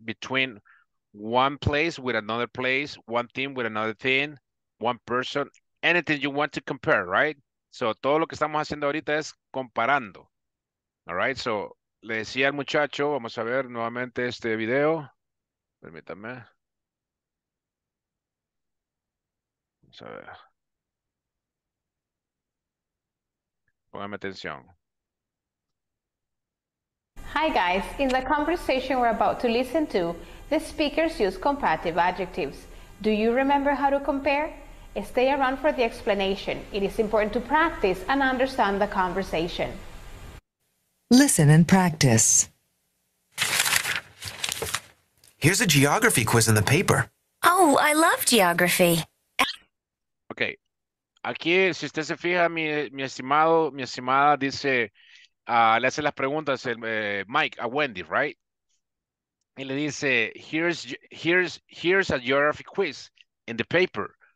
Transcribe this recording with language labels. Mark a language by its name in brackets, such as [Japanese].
[English] Between one place with another place, one thing with another thing, one person, anything you want to compare, right? [Spanish] So todo lo que estamos haciendo ahorita es comparando. All right, so le decía al muchacho, vamos a ver nuevamente este video. Permítame. Vamos a ver. Póngame atención. [English] Hi, guys. In the conversation we're about to listen to, the speakers use comparative adjectives. Do you remember how to compare? Stay around for the explanation. It is important to practice and understand the conversation. Listen and practice. Here's a geography quiz in the paper. Oh, I love geography. Okay. [Spanish] Aquí, si usted se fija, mi estimada dice, le hace las preguntas Mike a Wendy, right? Y le dice, [English] here's a geography quiz in the paper.